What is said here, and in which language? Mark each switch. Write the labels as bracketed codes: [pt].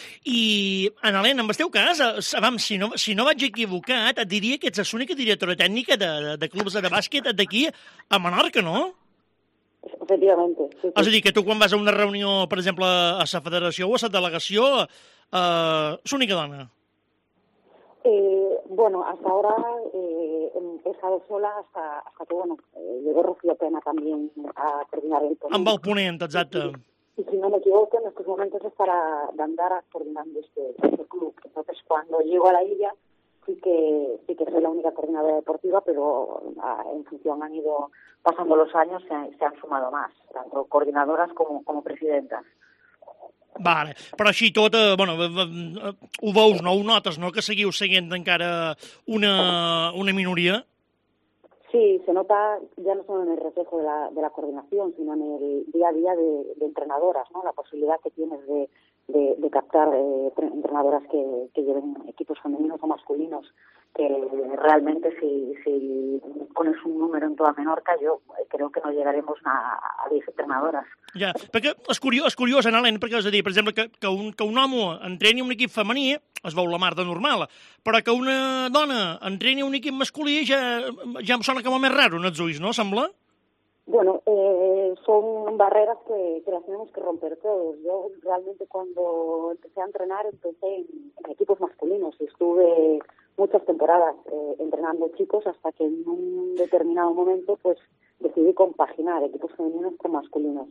[ca] I, Anna Helena, en el teu cas, si no vaig equivocat, et diria que ets la única directora tècnica de clubs de bàsquet d'aquí a Menorca, no? Efectivament. Sí, sí. És a dir, que tu quan vas a una reunió, per exemple, a la federació o a la delegació, és l'única dona. [es] Bueno, hasta ahora he estado sola hasta que, bueno, llegó Rocío Pena también a terminar el [ca] ponente. Amb el ponent, exacte. [es] Y si no me equivoco, en estos momentos estará Dandara coordinando este club. Entonces, cuando llego a la isla, sí que soy la única coordinadora deportiva, pero en función han ido pasando los años, se han sumado más, tanto coordinadoras como presidentas. [ca] Vale. Però així tot, bueno, ho veus, no? Ho notes, no? Que seguiu seguint encara una minoria? [es] Sí, se nota ya no solo en el reflejo de la coordinación, sino en el día a día de entrenadoras, ¿no? La posibilidad que tienes de captar entrenadoras que lleven equipos femeninos o masculinos, que realmente si pones un número en toda Menorca, yo creo que no llegaremos a 10 entrenadoras. [ca] Ja, perquè és curiós, Anna Helena, perquè és a dir, per exemple, que un home entreni un equip femení, es veu la mar de normal, però que una dona entreni un equip masculí ja em sona com a més raro en els ulls, no, sembla? [es] Bueno, son barreras que las tenemos que romper todos. Yo realmente cuando empecé a entrenar empecé en equipos masculinos y estuve muchas temporadas entrenando chicos hasta que en un determinado momento pues decidí compaginar equipos femeninos con masculinos.